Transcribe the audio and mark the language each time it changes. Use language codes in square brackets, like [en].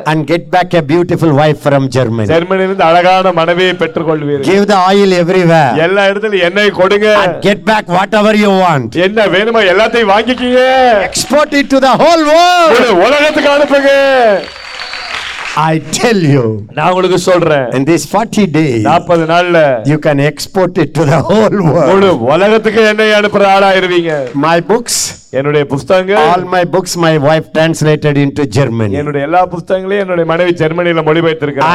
[en] And get back a beautiful wife from Germany. [ta] ஜெர்மனில இருந்து அழகான மனைவியை பெற்றுக்கொள்வீர்கள். [en] Give the oil everywhere. [ta] எல்லா இடத்துலயும் எண்ணெய் கொடுங்க. [en] And get back whatever you want. [ta] என்ன வேணுமோ எல்லாத்தையும் வாங்கிக்கீங்க. [en] Export it to the whole world. [ta] உலகத்துக்கு அனுப்புங்க. [en] I tell you. [ta] நான் உங்களுக்கு சொல்றேன். [en] In these 40 days. [ta] 40 நாள்ல [en] you can export it to the whole world. [ta] முழு உலகத்துக்கு என்னைய அனுப்புற ஆளா இருவீங்க. [en] My books. [ta] என்னுடைய புத்தகங்கள். [en] All my books my wife translated into German. [ta] என்னுடைய எல்லா புத்தகங்களையும் என்னுடைய மனைவி ஜெர்மனில மொழிபெயர்த்திருக்காங்க.